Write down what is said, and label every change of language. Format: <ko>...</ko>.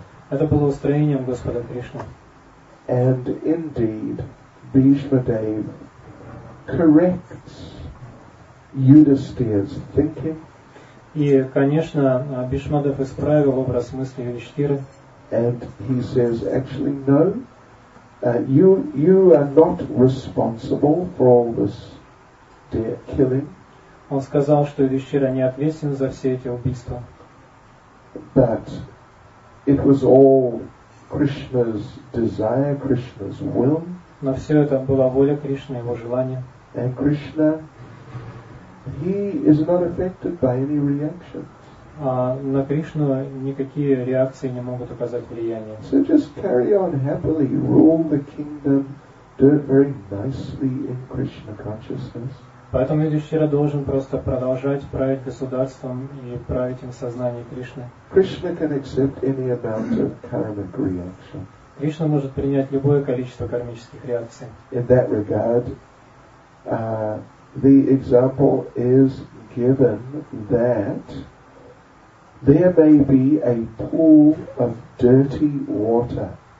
<ru>Это было устроением Господа Кришны.</ru> <en>And indeed, Bhishma Dev corrects Yudhisthira's thinking.</en> <ru>И, конечно, Бхишма Дев исправил образ мысли Юдхиштхиры.</ru> <en>And he says, actually, no. You are not responsible for all this killing.</en> <ru>Он сказал, что Юдхиштхира не ответственен за все эти убийства.</ru> <en>But it was all Krishna's desire, Krishna's will.</en> <ru>Но все это была воля Кришны, его желание.</ru> <en>And Krishna, he is not affected by any reaction.</en> <ru>А на Кришну никакие реакции не могут оказать влияние.</ru> <en>So just carry on happily, rule the kingdom, do it very nicely in Krishna consciousness.</en> <ru>Поэтому Юдхиштхира должен просто продолжать править государством и править им в сознании Кришны.</ru> <en>Krishna can accept any amount of karmic reaction.</en> <ru>Кришна может принять любое количество кармических реакций.</ru> <en>In that regard, the example is given that there may be a pool of dirty water.</en>